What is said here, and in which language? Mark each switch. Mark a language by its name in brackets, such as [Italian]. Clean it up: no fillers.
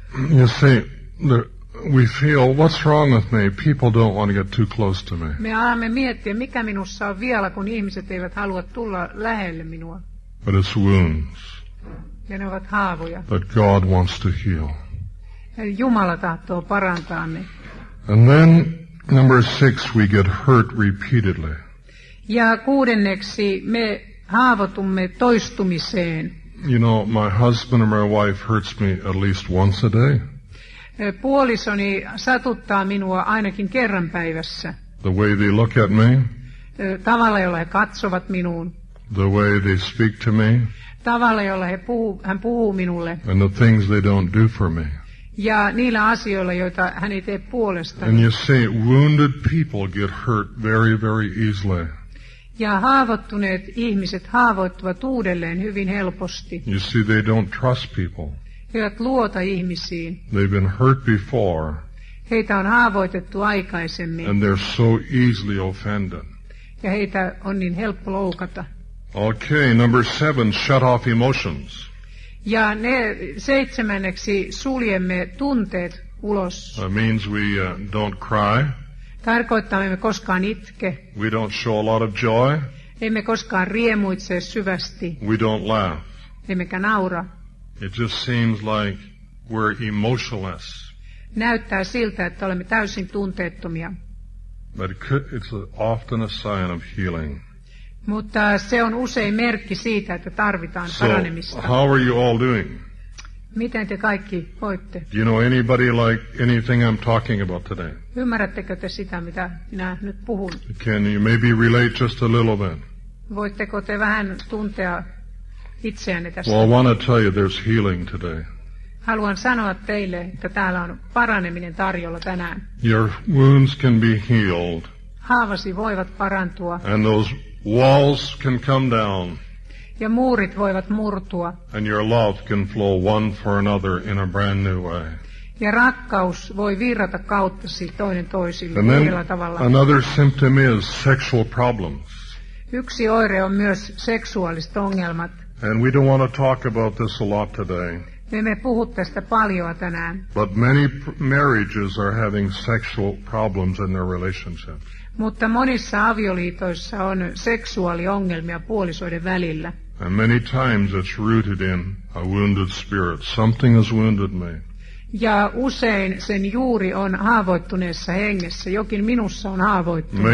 [English] You see, we feel, what's wrong with me? People don't want to get too close to me. [Finnish] Me alamme miettiä, mikä minussa on vielä, kun ihmiset eivät halua tulla lähelle minua. [English] But it's wounds. [Finnish] Ja ne ovat haavoja. [English] But God wants to heal. [Finnish] Eli Jumala tahtoo parantaa ne. [English] And then, number six, we get hurt repeatedly. [Finnish] Ja kuudenneksi me haavoitumme toistumiseen. [English] You know, my husband or my wife hurts me at least once a day. [Finnish] Puolisoni satuttaa minua ainakin kerran päivässä. [English] The way they look at me. [Finnish] Tavalla, jolla he katsovat minuun. [English] The way they speak to me. [Finnish] Tavalla, jolla hän puhuu minulle. [English] And the things they don't do for me. [Finnish] Ja niillä asioilla, joita hän ei tee puolestani. [English] And you see, wounded people get hurt very, very easily. [Finnish] Ja haavoittuneet ihmiset haavoittuvat uudelleen hyvin helposti. [English] You see, they don't trust people. [Finnish] He eivät luota ihmisiin. [English] They've been hurt before. [Finnish] Heitä on haavoitettu aikaisemmin. [English] And they're so easily offended. [Finnish] Ja heitä on niin helppo loukata. [English] Okay, number seven, shut off emotions. [Finnish] Ja ne seitsemänneksi suljemme tunteet ulos. [English] That means we don't cry. [Finnish] Tarkoittaa, me emme koskaan itke. [English] We don't show a lot of joy. [Finnish] Emme koskaan riemuitse syvästi. [English] We don't laugh. [Finnish] Emmekä naura. [English] It just seems like we're emotionless. [Finnish] Näyttää siltä, että olemme täysin tunteettomia. [English] But it's often a sign of healing. [Finnish] Mutta se on usein merkki siitä, että tarvitaan so, paranemista. [English] How are you all doing? [Finnish] Miten te kaikki voitte? [English] Do you know anybody like anything I'm talking about today? [Finnish] Ymmärrättekö te sitä, mitä minä nyt puhun? [English] Can you maybe relate just a little bit? [Finnish] Voitteko te vähän tuntea itseänne tässä? [English] Well, I want to tell you there's healing today. [Finnish] Haluan sanoa teille, että täällä on paraneminen tarjolla tänään. [English] Your wounds can be healed. [Finnish] Haavasi voivat parantua. [English] And those walls can come down. [Finnish] Ja muurit voivat murtua. [English] And your love can flow one for another in a brand new way. [Finnish] Ja rakkaus voi virrata kauttasi toinen toisille uudella tavalla. [English] Another symptom is sexual problems. [Finnish] Yksi oire on myös seksuaaliset ongelmat. [English] And we don't want to talk about this a lot today. [Finnish] Me emme puhu tästä paljon tänään. [English] But many marriages are having sexual problems in their relationships. [Finnish] Mutta monissa avioliitoissa on seksuaaliongelmia puolisoiden välillä. [English] And many times it's rooted in a wounded spirit. Something has wounded me. [Finnish] Ja usein sen juuri on haavoittuneessa hengessä. Jokin minussa on haavoittunut.